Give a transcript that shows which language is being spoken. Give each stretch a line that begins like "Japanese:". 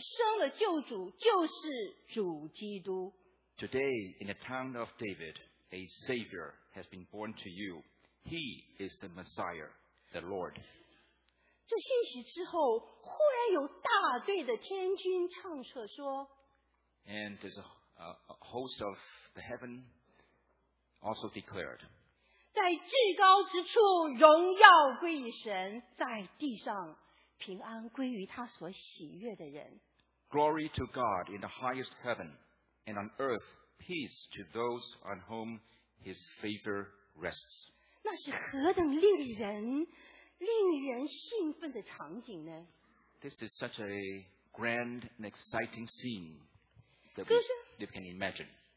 Chinese: 今天在大卫的城里为你们生了救主，就是主基督。
English: Today, in the town of David, a Savior has been born to you. He is the Messiah, the Lord.
Chinese: 这信息之后，忽然有大队的天军唱和说，
English: And there's a host of the heaven also declared,
Chinese: 在至高之处荣耀归于神，在地上平安归于他所喜悦的人。
English: Glory to God in the highest heaven, and on earth peace to those on whom his favor rests.
Chinese: 那是何等令人 令人兴奋的场景呢?
English: This is such a grand and exciting scene that you can imagine.